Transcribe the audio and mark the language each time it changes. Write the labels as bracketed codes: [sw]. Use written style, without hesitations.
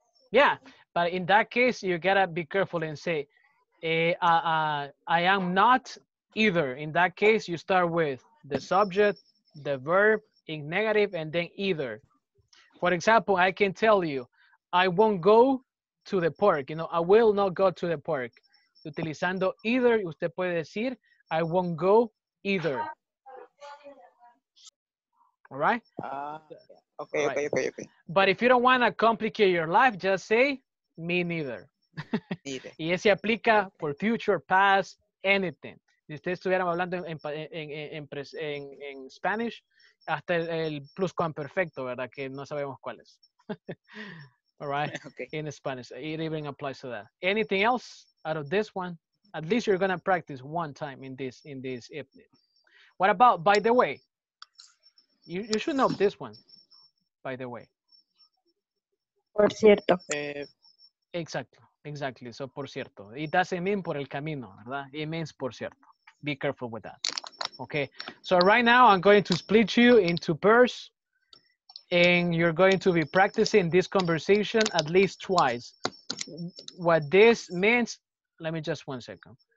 [en] Yeah, but in that case you gotta be careful and say I am not either. In that case you start with the subject, the verb in negative, and then either. For example, I can tell you I won't go to the park, you know, I will not go to the park. [es] Utilizando [en] either, [es] usted puede decir, [en] I won't go either. All right? Okay. But if you don't want to complicate your life, just say, me neither. [es] Y ese aplica [en] for future, past, anything. [es] Si usted estuviera hablando en Spanish, hasta el pluscuamperfecto, ¿verdad? Que no sabemos cuál es. [en] All right? Okay. In Spanish. It even applies to that. Anything else? Out of this one, at least you're gonna practice one time in this evening. What about, by the way, you should know this one, by the way. [es] Por cierto. [en] Exactly. So por cierto, it doesn't mean [es] por el camino, ¿verdad? [en] It means por cierto. Be careful with that. Okay. So right now I'm going to split you into pairs, and you're going to be practicing this conversation at least twice. What this means. Let me just 1 second.